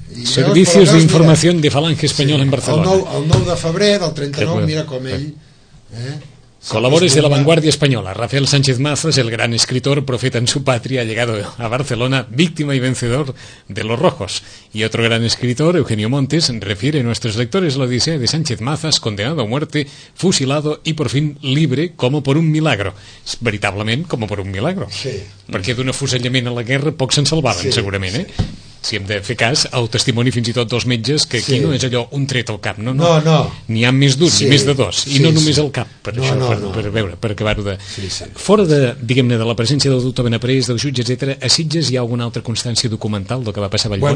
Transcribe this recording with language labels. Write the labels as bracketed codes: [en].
[es] Servicios de Información de Falange Española, sí, en Barcelona. [ca] El 9 de febrer del 39, mira com ell... [es] Colabores de La Vanguardia Española. Rafael Sánchez Mazas, el gran escritor, profeta en su patria, llegado a Barcelona, víctima y vencedor de los rojos. Y otro gran escritor, Eugenio Montes, refiere a nuestros lectores la odisea de Sánchez Mazas, condenado a muerte, fusilado y por fin libre, como por un milagro. [ca] Veritablement, [es] como por un milagro. Sí. [ca] Perquè d'un afusellament a la guerra pocs se'n salvaven, sí, segurament, eh? Sí. Si hem de fer cas, el testimoni fins i tot dels metges, que aquí no és allò un tret al cap, no? No. N'hi ha més d'un, sí, més de dos, sí, i no només al cap, per això, per veure, per acabar-ho de... Sí, sí. Fora de, diguem-ne, de la presència del doctor Benaprés, del jutge, etc., a Sitges hi ha alguna altra constància documental del que va passar a Vallbona?